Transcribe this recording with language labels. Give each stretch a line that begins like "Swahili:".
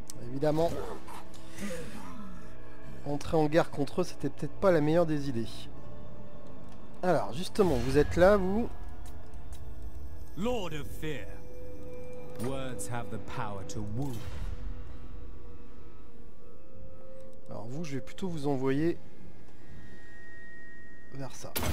French: Évidemment, entrer en guerre contre eux, c'était peut-être pas la meilleure des idées. Alors, justement, vous êtes là, vous.
English: Lord of Fear. Words have the power to woo.
French: Alors, vous, je vais plutôt vous envoyer vers ça.